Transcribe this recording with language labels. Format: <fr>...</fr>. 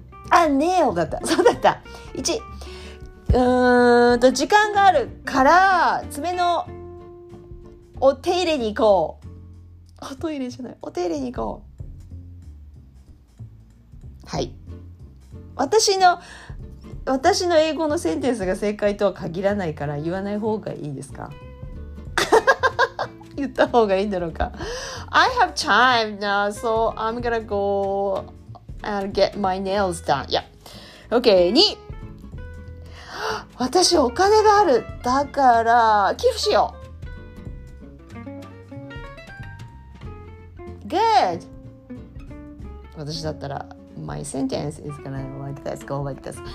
<ja>あ、ネイルだった。そうだった。1、時間があるから爪のお手入れに行こう。お手入れじゃない。お手入れに行こう。はい。私の英語のセンテンスが正解とは限らないから言わない方がいいですか。言った方がいいんだろうか。</ja> <en>I have time now so I'm gonna go and get my nails done. Yeah. OK.</en> <ja>2、私お金がある、だから寄付しよう。</ja> <en>Good.</en> <ja>私だったら</ja> <en>My sentence is gonna like this, go like this.</en>